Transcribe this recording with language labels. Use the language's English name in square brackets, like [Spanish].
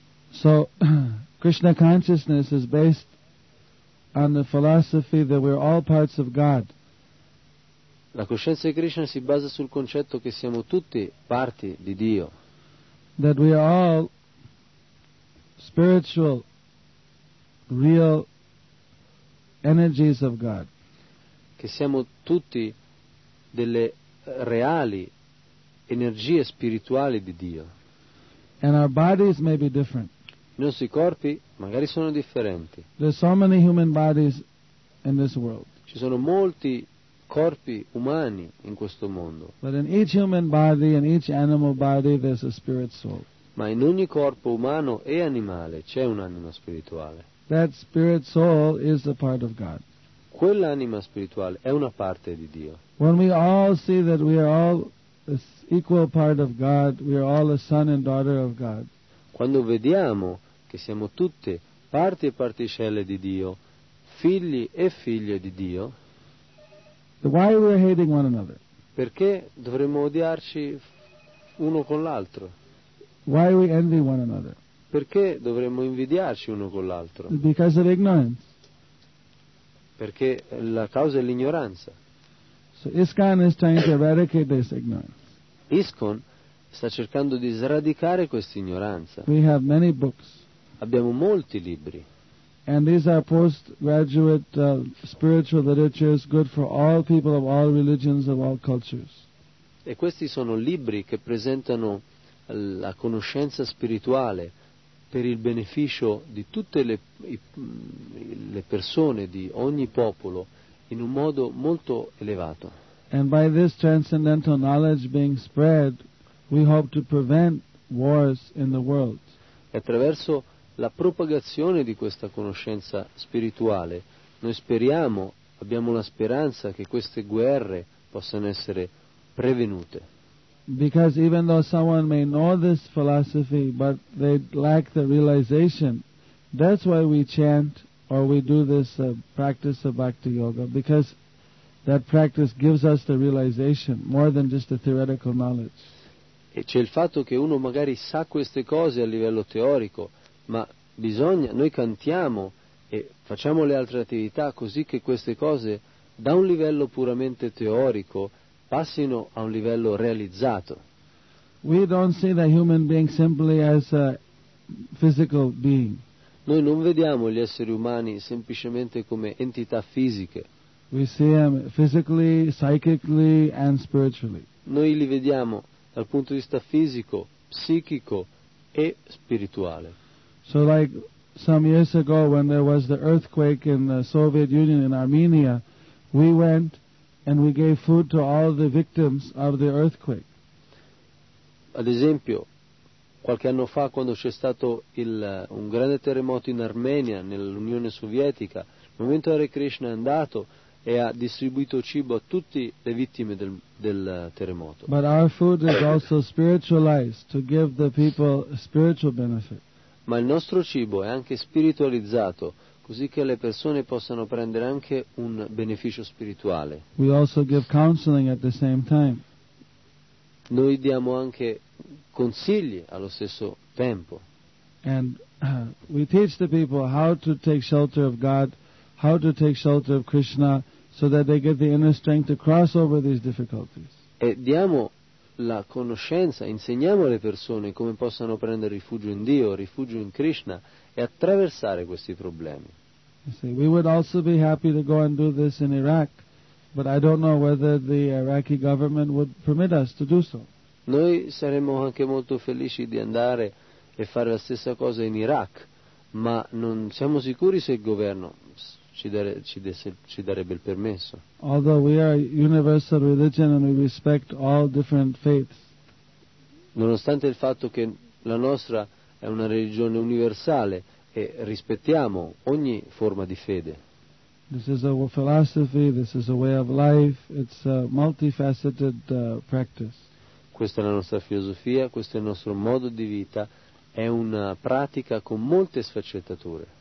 [English] So Krishna consciousness is based on the philosophy that we're all parts of God. [Italian] La coscienza di Krishna si basa sul concetto che siamo tutti parti di Dio. [English] That we are all spiritual, real energies of God. [Italian] Che siamo tutti delle reali energie spirituali di Dio. [English] And our bodies may be different. [Italian] I nostri corpi magari sono differenti. [English] There's so many human bodies in this world. [Italian] Ci sono molti corpi umani in questo mondo. [English] But in each human body and each animal body there's a spirit soul. [Italian] Ma in ogni corpo umano e animale c'è un'anima spirituale. [English] That spirit soul is a part of God. [Italian] Quell'anima spirituale è una parte di Dio. [English] When we all see that we are all equal part of God, we are all a son and daughter of God. [Italian] Quando vediamo che siamo tutte parti e particelle di Dio, figli e figlie di Dio, [English] why we are hating one another? [Italian] Perché dovremmo odiarci uno con l'altro? [English] Why we envy one another? [Italian] Perché dovremmo invidiarci uno con l'altro? [English] Because of ignorance. [Italian] Perché la causa è l'ignoranza. [English] So ISKCON is trying to eradicate this ignorance. [Italian] ISKCON sta cercando di sradicare questa ignoranza. [English] We have many books. [Italian] Abbiamo molti libri. [English] And these are postgraduate spiritual literatures, good for all people of all religions, of all cultures. [Italian] E questi sono libri che presentano la conoscenza spirituale per il beneficio di tutte le persone di ogni popolo in un modo molto elevato. [English] And by this transcendental knowledge being spread, we hope to prevent wars in the world. [Italian] Attraverso la propagazione di questa conoscenza spirituale, noi speriamo, abbiamo la speranza che queste guerre possano essere prevenute. [English] Because even though someone may know this philosophy, but they lack the realization, that's why we chant or we do this practice of Bhakti Yoga, because that practice gives us the realization more than just the theoretical knowledge. [Italian] E c'è il fatto che uno magari sa queste cose a livello teorico, ma bisogna, noi cantiamo e facciamo le altre attività così che queste cose da un livello puramente teorico passino a un livello realizzato. [English] We don't see the human being simply as a physical being. [Italian] Noi non vediamo gli esseri umani semplicemente come entità fisiche. [English] We see them physically, psychically and spiritually. [Italian] Noi li vediamo dal punto di vista fisico, psichico e spirituale. [English] So like some years ago when there was the earthquake in the Soviet Union in Armenia, we went and we gave food to all the victims of the earthquake. [Italian] Ad esempio, qualche anno fa quando c'è stato un grande terremoto in Armenia, nell'Unione Sovietica, nel momento Hare Krishna è andato e ha distribuito cibo a tutte le vittime del terremoto. [English] But our food is also spiritualized to give the people spiritual benefit. [Italian] Ma il nostro cibo è anche spiritualizzato, così che le persone possano prendere anche un beneficio spirituale. [English] We also give counseling at the same time. [Italian] Noi diamo anche consigli allo stesso tempo. [English] And we teach the people how to take shelter of God, how to take shelter of Krishna, so that they get the inner strength to cross over these difficulties. [Italian] E diamo la conoscenza, insegniamo alle persone come possano prendere rifugio in Dio, rifugio in Krishna e attraversare questi problemi. [English] See, we would also be happy to go and do this in Iraq, but I don't know whether the Iraqi government would permit us to do so. [Italian] Noi saremmo anche molto felici di andare e fare la stessa cosa in Iraq, ma non siamo sicuri se il governo ci darebbe il permesso. [English] Although we are a universal religion and we respect all different faiths. [Italian] Nonostante il fatto che la nostra è una religione universale e rispettiamo ogni forma di fede. [English] This is a philosophy, this is a way of life, it's a multifaceted practice. [Italian] Questa è la nostra filosofia, questo è il nostro modo di vita, è una pratica con molte sfaccettature.